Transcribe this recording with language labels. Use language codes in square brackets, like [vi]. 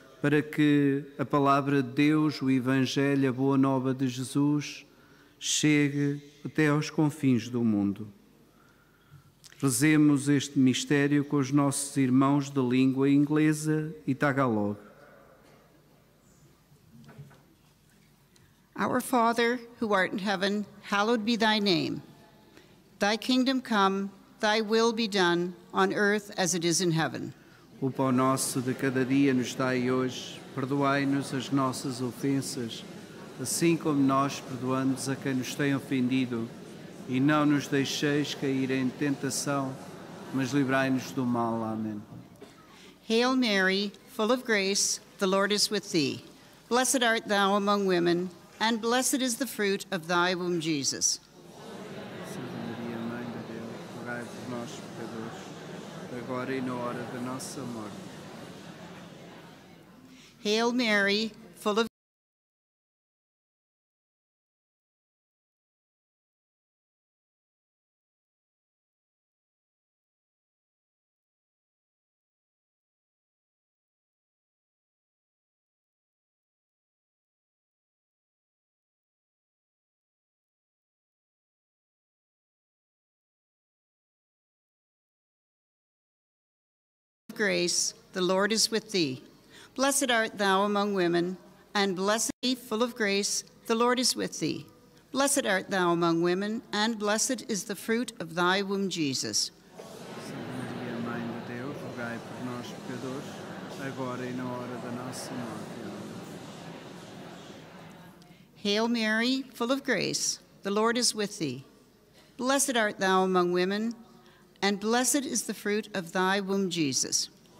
[pt] para que a palavra de Deus, o Evangelho, a Boa Nova de Jesus, chegue até aos confins do mundo. Rezemos este mistério com os nossos irmãos de língua inglesa e tagalog. [en] Our Father, who art in heaven, hallowed be thy name. Thy kingdom come, thy will be done, on earth as it is in heaven. [pt] O pão nosso de cada dia nos dai hoje, perdoai-nos as nossas ofensas, assim como nós perdoamos a quem nos tem ofendido. E não nos deixeis cair em tentação, mas livrai-nos do mal. Amém. [en] Hail Mary, full of grace, the Lord is with thee. Blessed art thou among women, and blessed is the fruit of thy womb, Jesus. [pt] Santa Maria, Mãe de Deus, rogai por nós, pecadores, agora e na hora da nossa morte. [en] Hail Mary, full of grace, the Lord is with thee. Blessed art thou among women, and blessed is full of grace, the Lord is with thee. Blessed art thou among women, and blessed is the fruit of thy womb, Jesus. [pt] Santa Maria, Mãe de Deus, rogai por nós, pecadores, agora e na hora da nossa morte. [en] Hail Mary, full of grace, the Lord is with thee. Blessed art thou among women, and blessed is the fruit of thy womb, Jesus.